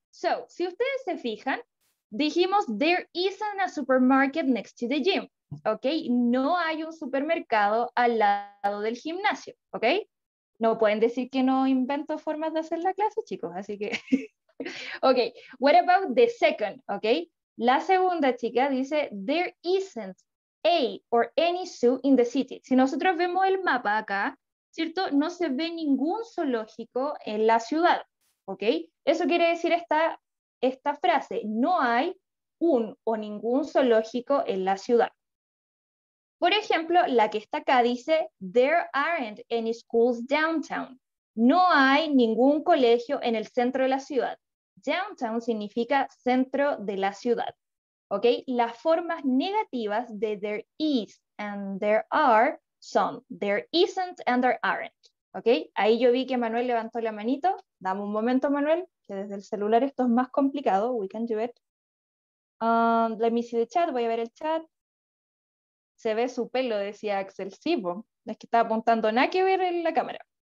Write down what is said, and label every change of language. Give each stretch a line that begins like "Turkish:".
English: So,
Spanish: si ustedes se fijan, dijimos
English: there isn't a supermarket next to the gym.
Spanish: Ok, no hay un supermercado al lado del gimnasio. Ok. No pueden decir que no invento formas de hacer la clase, chicos, así que...
English: Ok, what about the second, ok?
Spanish: La segunda chica dice,
English: there isn't a or any zoo in the city.
Spanish: Si nosotros vemos el mapa acá, ¿cierto? No se ve ningún zoológico en la ciudad, ok? Eso quiere decir esta frase, no hay un o ningún zoológico en la ciudad. Por ejemplo, la que está acá dice,
English: there aren't any schools downtown.
Spanish: No hay ningún colegio en el centro de la ciudad. Downtown significa centro de la ciudad. ¿Ok? Las formas negativas de there is and there are son there isn't and there aren't. ¿Ok? Ahí yo vi que Manuel levantó la manito. Dame un momento, Manuel, que desde el celular esto es más complicado.
English: We can do it. Let me see the chat.
Spanish: Voy a ver el chat. Se ve su pelo, decía Axel Sibo. Es que estaba apuntando, nada que ver en la cámara.